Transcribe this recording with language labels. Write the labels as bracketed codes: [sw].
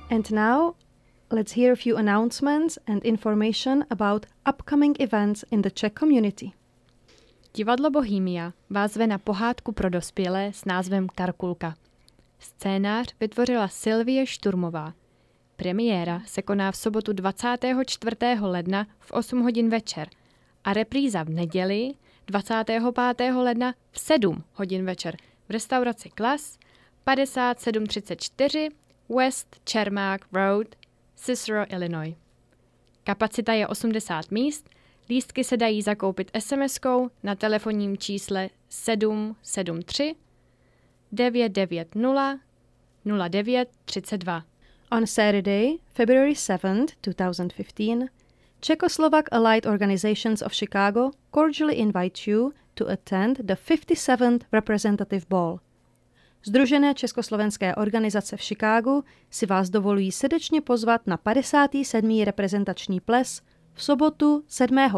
[en] now, let's hear a few announcements and information about upcoming events in the Czech community. [cs] Divadlo Bohemia vás zve na pohádku pro dospělé s názvem Karkulka. Scénář vytvořila Sylvie Šturmová. Premiéra se koná v sobotu 24. ledna v 8 hodin večer a repríza v neděli 25. ledna v 7 hodin večer v restauraci Klas 5734 West Čermák Road, Cicero, Illinois. Kapacita je 80 míst, lístky se dají zakoupit SMS-kou na telefonním čísle 773 990 0932. [en] On Saturday, February 7th, 2015, Czechoslovak Allied Organizations of Chicago cordially invite you to attend the 57th Representative Ball. [cs] Združené československé organizace v Chicagu si vás dovolují srdečně pozvat na 57. reprezentační ples v sobotu 7.